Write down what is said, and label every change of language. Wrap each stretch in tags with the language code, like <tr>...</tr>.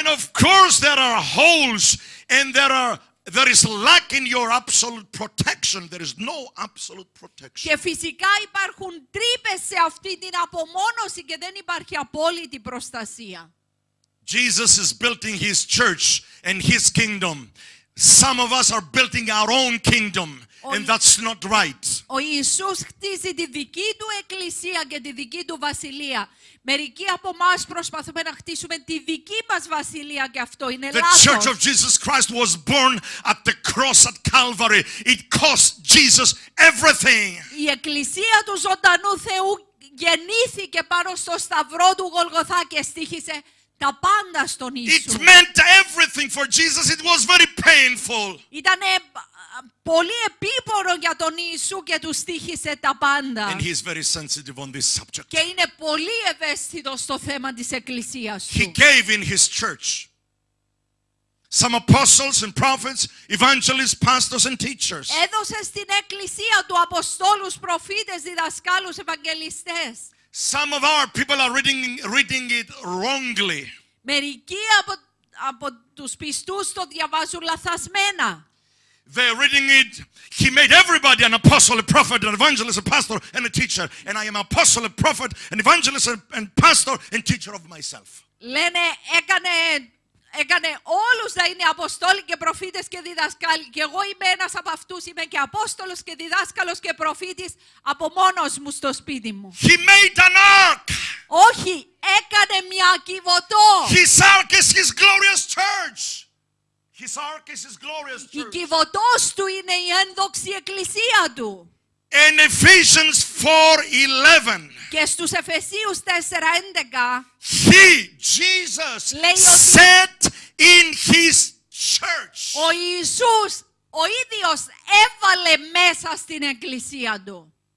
<en>And of course there are holes and there is lack in your absolute protection. There is no absolute protection.</en> <el>Και φυσικά υπάρχουν τρύπες σε αυτή την απομόνωση και δεν υπάρχει απόλυτη προστασία.</el> <en>Jesus is building his church and his kingdom. Some of us are building our own kingdom, and that's not right.</en> <el>Ο Ιησούς χτίζει τη δική του εκκλησία και τη δική του βασιλεία. Μερικοί από μας προσπαθούμε να χτίσουμε τη δική μας βασιλεία και αυτό είναι λάθος.</el> <en>The Church of Jesus Christ was born at the cross at Calvary. It cost Jesus everything.</en> <el>Η εκκλησία του ζωντανού Θεού γεννήθηκε πάνω στο σταυρό του Γολγοθά και στήχησε τα πάντα στον Ιησού.</el> <en>It meant everything for Jesus. It was very painful.</en> <el>Ήταν πολύ επίπονο για τον Ιησού και του στήχησε τα πάντα.</el> <en>And he's very sensitive on this subject.</en> <el>Και είναι πολύ ευαίσθητος στο θέμα της εκκλησίας του.</el> <en>He gave in his church some apostles and prophets, evangelists, pastors and teachers.</en> <el>Έδωσε στην εκκλησία του αποστόλους, προφήτες, διδασκάλους, ευαγγελιστές.</el> <en>Some of our people are reading it wrongly.</en> <el>Μερικοί από τους πιστούς το διαβάζουν λαθασμένα.</el> <en>They're reading it. He made everybody an apostle, a prophet, an evangelist, a pastor, and a teacher. And I am an apostle, a prophet, an evangelist, and pastor, and teacher of myself.</en> <el>Λένε έκανε όλους να είναι αποστόλοι και προφήτες και διδασκάλοι. Και εγώ είμαι ένας από αυτούς. Είμαι και απόστολος και διδάσκαλος και προφήτης από μόνος μου στο σπίτι μου.</el> <en>He made an ark.</en> <el>Όχι, έκανε μια κυβωτό.</el> <en>His ark is his glorious church. His ark is his glorious church.</en> <el>Η κυβωτός του είναι η ένδοξη εκκλησία του.</el> <en>In Ephesians 4:11.</en> <el>Και στους Εφεσίους 4:11.</el> <en>He, Jesus,</en> <el>λέει ότι</el> <en>set in his church.</en> <el>Ο Ιησούς ο ίδιος έβαλε μέσα στην εκκλησία του.</el>